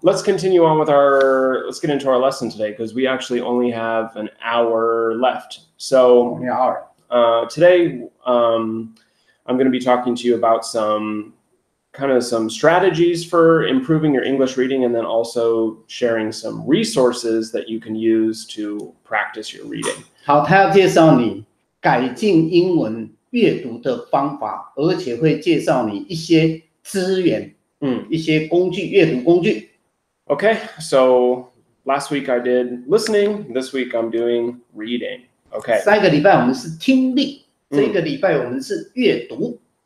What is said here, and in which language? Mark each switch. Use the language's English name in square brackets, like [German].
[English] Let's continue on with let's get into our lesson today because we actually only have an hour left. So. Only an hour. Today, I'm going to be talking to you about some strategies for improving your English reading and then also sharing some resources that you can use to practice your reading. [Chinese] 好，他要介绍你改进英文阅读的方法，而且会介绍你一些资源，一些工具，阅读工具。 [English] Okay, so last week I did listening, this week I'm doing reading. Okay. [Chinese] 三个礼拜我们是听力，这个礼拜我们是阅读。